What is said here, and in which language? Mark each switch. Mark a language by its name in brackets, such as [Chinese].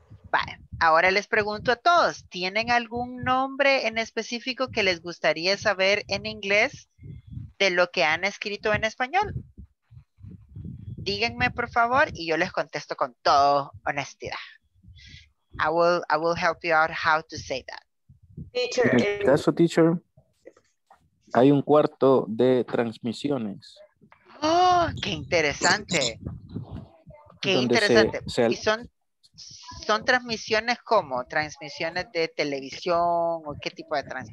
[English] Bye. [Spanish] Ahora les pregunto a todos, ¿tienen algún nombre en específico que les gustaría saber en inglés de lo que han escrito en español? Díganme, por favor, y yo les contesto con toda honestidad. [English] I will help you out how to say that. Teacher. [Spanish] En caso, teacher, hay un cuarto de transmisiones. ¡Oh, qué interesante! Qué interesante. ¿Y son transmisiones como? ¿Transmisiones de televisión o qué tipo de transmisión?